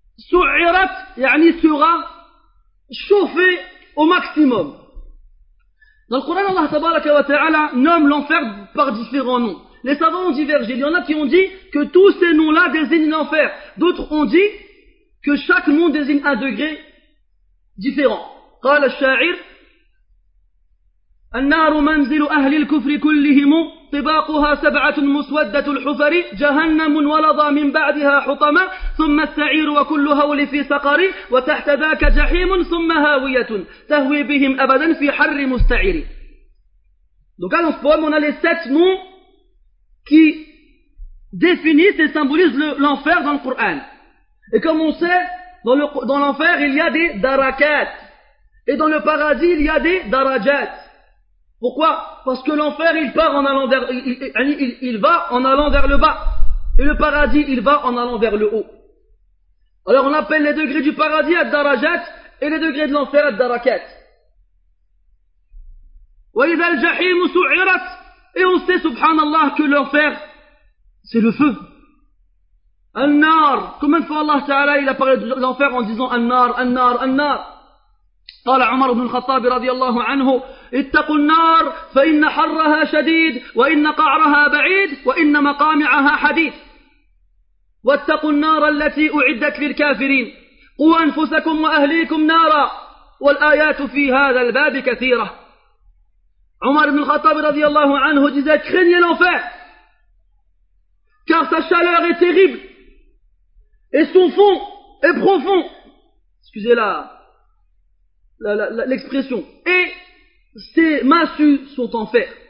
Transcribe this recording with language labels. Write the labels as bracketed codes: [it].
[ar] سُعِّرَتْ, يعني [fr] sera chauffé au maximum. Dans le Coran, Allah tabaraka wa ta'ala nomme l'enfer par différents noms. Les savants ont divergé. Il y en a qui ont dit que tous ces noms-là désignent l'enfer. D'autres ont dit que chaque nom désigne un degré différent. [ar] قال الشاعر النار منزل أهل الكفر كلهم طباقها سبعة مسودة الحفر جهنم ولضى من بعدها حطما ثم السعير وكل هول في سقر وتحت ذاك جحيم ثم هاوية تهوي بهم أبدا في حر مستعير. [fr] Donc dans ce poème on a les sept noms qui définissent et symbolisent l'enfer dans le Coran. Et comme on sait, dans l'enfer il y a des darakat, et dans le paradis il y a des darajat. Pourquoi? Parce que l'enfer, il part en allant vers, il va en allant vers le bas. Et le paradis, il va en allant vers le haut. Alors, on appelle les degrés du paradis ad-darajat et les degrés de l'enfer ad-darakat. [ar] Wa idha al-jahim su'irat. [fr] Et on sait, subhanallah, que l'enfer, c'est le feu. An-nar. Combien de fois Allah Ta'ala, il a parlé de l'enfer en disant an-nar, an-nar, an-nar. [ar] قال عمر بن الخطاب رضي الله عنه اتقوا النار فإن حرها شديد وإن قعرها بعيد وإن مقامعها حديد واتقوا النار التي أعدت للكافرين قوا أنفسكم وأهليكم نارا والآيات في هذا الباب كثيرة. [fr] عمر بن الخطاب [ar] رضي الله عنه [fr] disait craignez l'enfer car sa chaleur est terrible et son fond est profond, excusez-la l'expression, et ses massues sont en fer.